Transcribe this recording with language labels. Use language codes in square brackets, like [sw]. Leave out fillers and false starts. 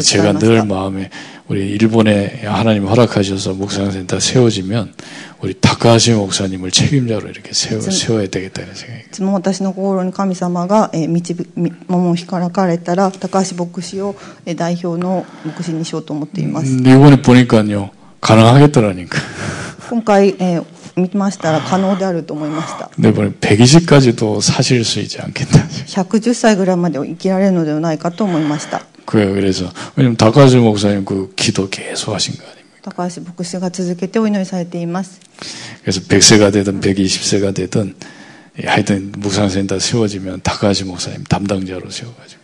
[ko] 제가늘마음에우리일본에하나님허락하셔서목상센터세워지면우리타카하시목사님을책임자로이렇게세워야되겠다는생각이 듭니다。 [ja] 私の心に神様が導き、光らかれたら高橋牧師を代表の牧師にしようと思っています。 [ko] 이번에보니까요가능하겠더라니까。 [ja] 今回見ましたら可能であると思いました。 [ko] でも120까지도사실수있지않겠다。 [ja] 110歳ぐらいまで生きられるのではないかと思いました。 [ko] 그래요。 그래서왜냐면다카지목사님그기도계속하신거아닙니까。 다카지목사가계속해서 [ja] お祈りされています。 [ko] 그래서100세가되든120세가되든하여튼묵상센터세워지면다카지목사님담당자로세워가지고。